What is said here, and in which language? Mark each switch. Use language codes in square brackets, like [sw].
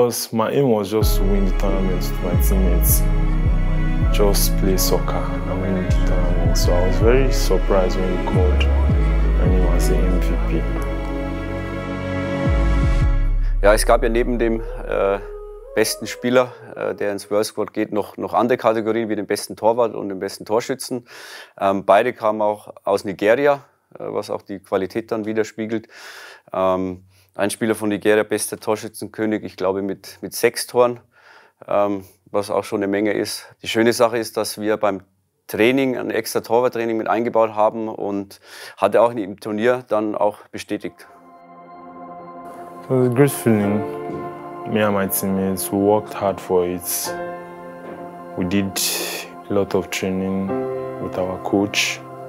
[en] My aim was just to win the tournament with my teammates. Just play soccer and win the tournament. So I was very surprised when he called and he was the MVP. [de] Ja, es gab ja neben dem besten Spieler, der ins World Squad geht, noch andere Kategorien wie den besten Torwart und den besten Torschützen. Beide kamen auch aus Nigeria, was auch die Qualität dann widerspiegelt. Ein Spieler von Nigeria, bester Torschützenkönig, ich glaube mit 6 Toren, was auch schon eine Menge ist. Die schöne Sache ist, dass wir beim Training ein extra Torwarttraining mit eingebaut haben und hat er auch im Turnier dann auch bestätigt. [en] It was a great feeling. Me and my teammates, we worked hard for it. We did a lot of training with our coach.